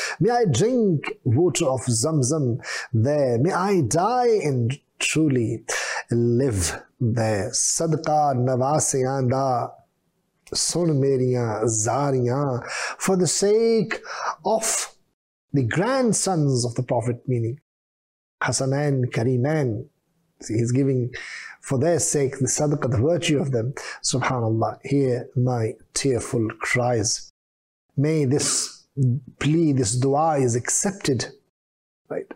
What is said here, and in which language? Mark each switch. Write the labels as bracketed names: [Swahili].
[English] May I drink water of Zamzam there, may I die and truly live there. [Punjabi] صدقہ نواسے آندہ سن میریاں زاریاں. [English] For the sake of the grandsons of the Prophet, meaning Hasanain, Karimain, he's giving for their sake the sadaqah, the virtue of them. Subhanallah, hear my tearful cries. May this plea, this dua is accepted, right?